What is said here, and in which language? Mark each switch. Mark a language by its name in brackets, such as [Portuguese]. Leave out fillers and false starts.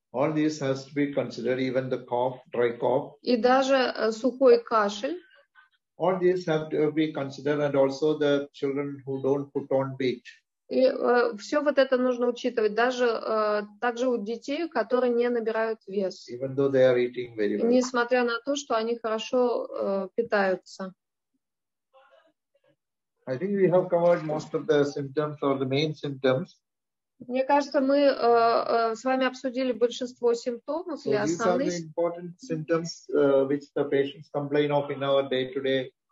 [English] All this has to be considered, even the cough, dry cough. [Russian] И даже сухой кашель. [English] All this have to be considered, and also the children who don't put on weight. [Russian] И все вот это нужно учитывать, даже также у детей, которые не набирают вес. [English] Even though they are eating very well. [Russian] Несмотря на то, что они хорошо питаются. [English] I think we have covered most of the symptoms or the main symptoms. [Russian] Мне кажется, мы с вами обсудили большинство симптомов или основных. [English] So these are the important symptoms which the patients complain of in our day-to-day.